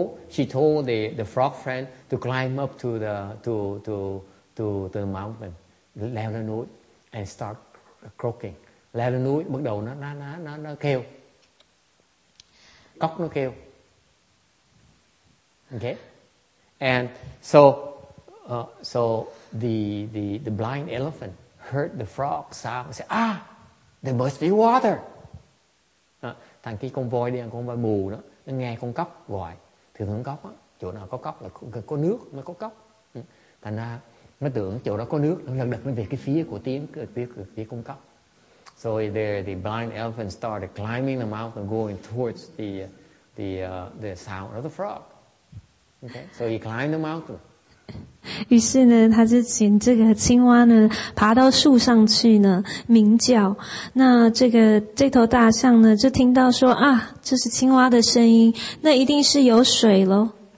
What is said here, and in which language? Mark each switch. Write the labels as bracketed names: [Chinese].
[English] She told the frog friend to climb up to the mountain, [Vietnamese] leo lên núi, [English] and start croaking. [Vietnamese] Leo lên núi, bắt đầu nó kêu. Cóc nó kêu. [English] Okay. And so the blind elephant heard the frog sound and said, ah, there must be water. [Vietnamese] Thằng kia con voi đi, con voi mù đó. Nghe con cóc gọi, thường con cóc á, chỗ nào có cóc là có nước mới có cóc. Thành ra nó tưởng chỗ đó có nước, nó lần lượt nó về cái phía của tiếng phía con cóc. [English] So there the blind elephant started climbing the mountain going towards the sound of the frog. Okay, so he climbed the mountain. [Chinese] 于是呢，他就请这个青蛙呢爬到树上去呢鸣叫。那这个这头大象呢就听到说啊，这是青蛙的声音，那一定是有水咯。